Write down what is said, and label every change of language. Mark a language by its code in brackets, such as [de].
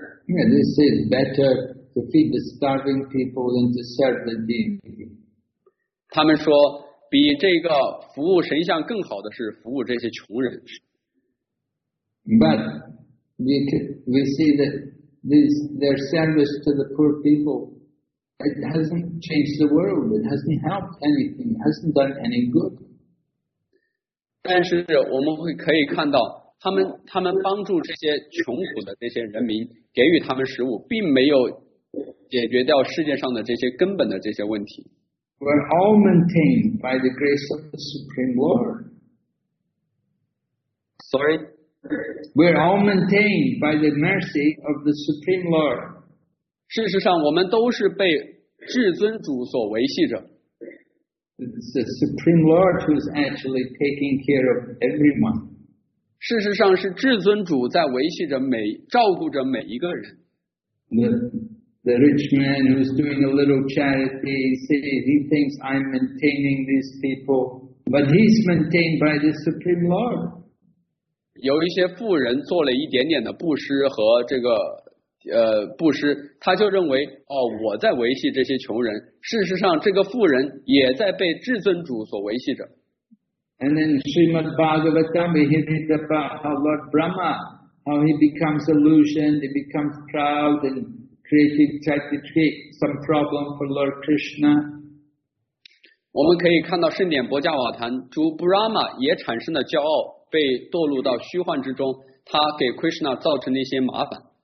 [en] Yeah, this is better to feed the starving people than to serve the deity. [zh] 他们说，比这个服务神像更好的是服务这些穷人。 [en] But we see that their service to the poor people, it hasn't changed the world, it hasn't helped anything, it hasn't done any good. [zh] 但是我们会可以看到，他们帮助这些穷苦的这些人民，给予他们食物，并没有解决掉世界上的这些根本的这些问题。 [en] We're all maintained by the grace of the Supreme Lord. Sorry? We're all maintained by the mercy of the Supreme Lord. [zh] 事实上，我们都是被至尊主所维系着。 [en] It's the Supreme Lord who's actually taking care of everyone. [zh] 事实上是至尊主在维系着每照顾着每一个人。 [en] The rich man who's doing a little charity, he thinks I'm maintaining these people, but he's maintained by the Supreme Lord. [zh] 有一些富人做了一点点的布施和这个布施，他就认为哦，我在维系这些穷人。事实上，这个富人也在被至尊主所维系着。 [en] And then Srimad Bhagavatam, he reads about how Lord Brahma, how he becomes illusioned, he becomes proud, and tried to create some problem for Lord Krishna. [zh] 我们可以看到圣典博迦瓦坛，主 Brahma 也产生了骄傲，被堕入到虚幻之中，他给 Krishna 造成了一些麻烦。